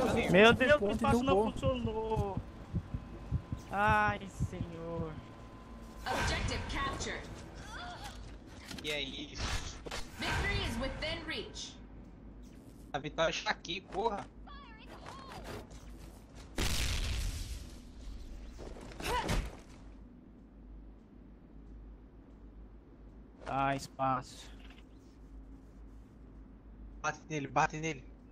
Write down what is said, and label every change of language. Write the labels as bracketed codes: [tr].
[pt] Meu Deus, o passo não funcionou. Ai, senhor. [en] Objective captured. [pt] E é isso. [en] Victory is within reach. [pt] A vitória está aqui, porra. Ah, espaço. Bate nele, bate nele.